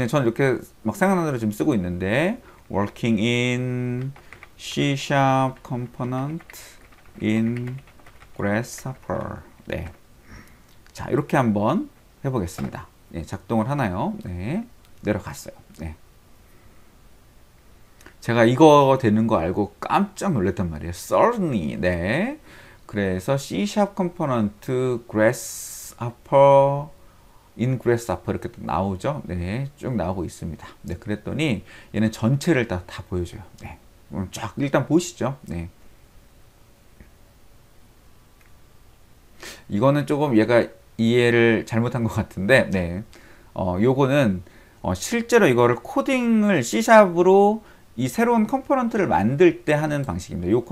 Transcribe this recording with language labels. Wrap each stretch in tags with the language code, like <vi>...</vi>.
<ko>그냥 저는 이렇게 막 생각나는 대로 지금 쓰고 있는데</ko> <en>working in C# component in grasshopper.</en> <ko>네, 자, 이렇게 한번 해보겠습니다. 네, 작동을 하나요? 네, 내려갔어요. 네, 제가 이거 되는 거 알고 깜짝 놀랐단 말이에요.</ko> <en>Certainly.</en> <ko>네, 그래서 C# component grass upper, in grass upper 이렇게 나오죠? 네, 쭉 나오고 있습니다. 네, 그랬더니 얘는 전체를 다 보여줘요. 네, 그럼 쫙 일단 보시죠. 네, 이거는 조금 얘가 이해를 잘못한 것 같은데, 네, 요거는 실제로 이거를 코딩을 C샵으로 이 새로운 컴포넌트를 만들 때 하는 방식입니다.</ko>